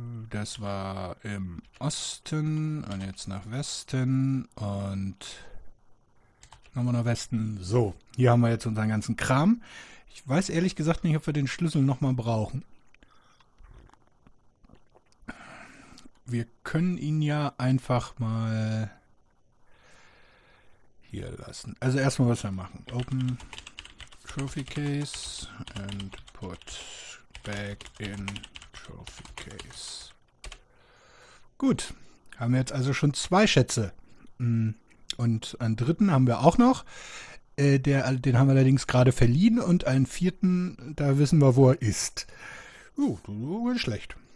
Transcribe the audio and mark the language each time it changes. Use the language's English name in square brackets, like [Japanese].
[German] Das war im Osten und jetzt nach Westen und nochmal nach Westen. So, hier haben wir jetzt unseren ganzen Kram. Ich weiß ehrlich gesagt nicht, ob wir den Schlüssel nochmal brauchen. Wir können ihn ja einfach mal hier lassen. Also erstmal, was wir machen. [English] Open Trophy Case and put back in Trophy Case. [German] Gut, haben wir jetzt also schon zwei Schätze. Und einen dritten haben wir auch noch. Den haben wir allerdings gerade verliehen. Und einen vierten, da wissen wir, wo er ist. Nicht schlecht.